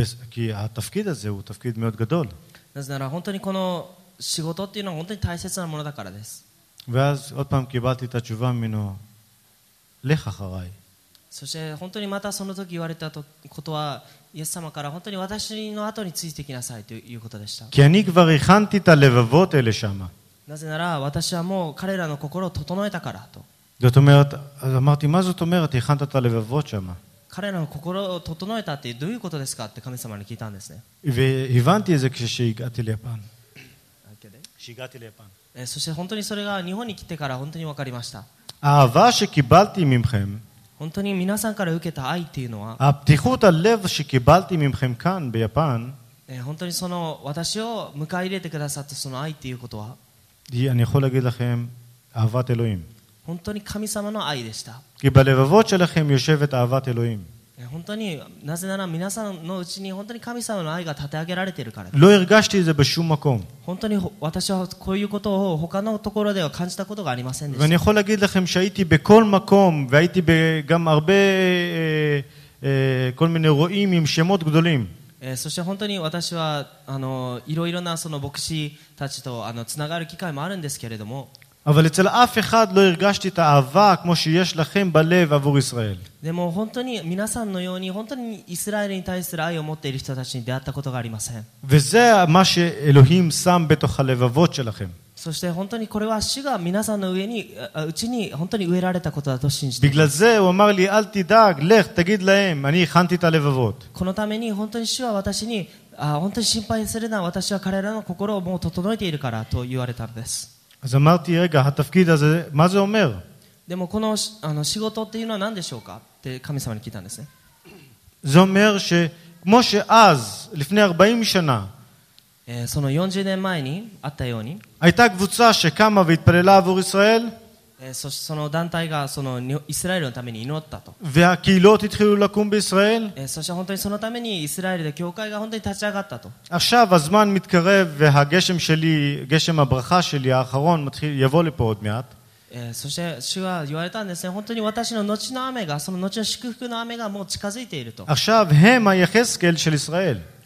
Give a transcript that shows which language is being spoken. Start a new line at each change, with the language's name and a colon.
Hebrew: כי התפקיד הזה הוא תפקיד מאוד גדול. אז נראה,
Japanese: 本当にこの仕事っていうのは本当に大切なものだからです。
Hebrew: ואז עוד פעם קיבלתי את התשובה ממנו, לך אחריי.
Japanese: そして本当にまたその時言われたことは、イエス様から本当に私の後についてきなさいということでした。
Hebrew: כי אני כבר הכנתי את הלבבות אלה שמה.
Japanese: なぜなら私はもう彼らの心を整えたからと。
Hebrew: זאת אומרת, אז אמרתי, מה זאת אומרת, הכנת את הלבבות שמה?
Japanese: 彼らの心を整えたってどういうことですかって神様に聞いたんですね。
Hebrew: והבנתי את זה כשהגעתי ליפן. כשהגעתי ליפן.
Japanese: そして本当にそれが日本に来てから本当に分かりました。
Hebrew: האהבה שקיבלתי ממכם,
Japanese: 本当に皆さんから受けた愛っていうのは,
Hebrew: הפתיחות הלב שקיבלתי ממכם כאן ביפן,
Japanese: 本当にその私を迎え入れてくださったその愛っていうことは,
Hebrew: אני יכול להגיד לכם, אהבת אלוהים.
Japanese: 本当に神様の愛でした。
Hebrew: כי בלבבות שלכם יושבת אהבת אלוהים.
Japanese: 本当になぜなら皆さんのうちに本当に神様の愛が立て上げられているから。
Hebrew: לא הרגשתי זה בשום מקום.
Japanese: 本当に私はこういうことを他のところでは感じたことがありませんでした。
Hebrew: ואני יכול להגיד לכם שהייתי בכל מקום והייתי גם הרבה כל מיני רואים עם שמות גדולים.
Japanese: そして本当に私はいろいろなその牧師たちとつながる機会もあるんですけれども。
Hebrew: אבל אצל אף אחד לא הרגשתי את האהבה כמו שיש לכם בלב עבור ישראל.
Japanese: でも本当に皆さんのように本当にイスラエルに対する愛を持っている人たちに出会ったことがありません。
Hebrew: וזה מה שאלוהים שם בתוך הלבבות שלכם.
Japanese: そして本当にこれは主が皆さんの上にうちに本当に植えられたことだと信じて。
Hebrew: בגלל זה הוא אמר לי אל תדאג לך תגיד להם אני הכנתי את הלבבות.
Japanese: このために本当に主は私に本当に心配するな私は彼らの心をもう整えているからと言われたんです。
Hebrew: אז אמרתי רגע, התפקיד הזה, מה זה אומר?
Japanese: でもこの仕事っていうのは何でしょうかって神様に聞いたんですね。
Hebrew: זה אומר שכמו שאז, לפני 40 שנה,
Japanese: その40年前にあったように,
Hebrew: הייתה קבוצה שקמה והתפללה עבור ישראל,
Japanese: その団体がそのイスラエルのために祈ったと。
Hebrew: והקהילות התחילו לקום בישראל,
Japanese: そして本当にそのためにイスラエルで教会が本当に立ち上がったと。
Hebrew: עכשיו הזמן מתקרב והגשם שלי, גשם הברכה שלי האחרון מתחיל, יבוא לפה עוד מעט.
Japanese: そして主は言われたんですね、本当に私の後の雨が、その後の祝福の雨がもう近づいていると。
Hebrew: עכשיו הם היחזקאל של ישראל.